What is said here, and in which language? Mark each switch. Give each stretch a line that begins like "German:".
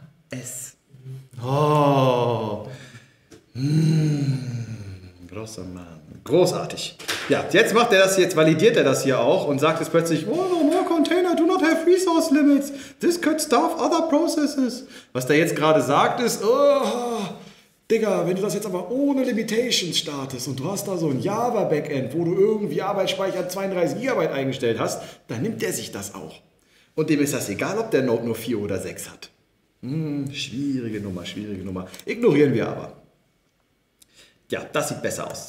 German: S. Oh. Großer Mann. Großartig. Ja, jetzt macht er das, jetzt validiert er das hier auch und sagt es plötzlich, oh,
English: more container do not have resource limits. This could stop other processes.
German: Was der jetzt gerade sagt ist, oh, Digga, wenn du das jetzt aber ohne Limitations startest und du hast da so ein Java-Backend, wo du irgendwie Arbeitsspeicher 32 GB eingestellt hast, dann nimmt der sich das auch. Und dem ist das egal, ob der Node nur 4 oder 6 hat. Schwierige Nummer. Ignorieren wir aber. Ja, das sieht besser aus.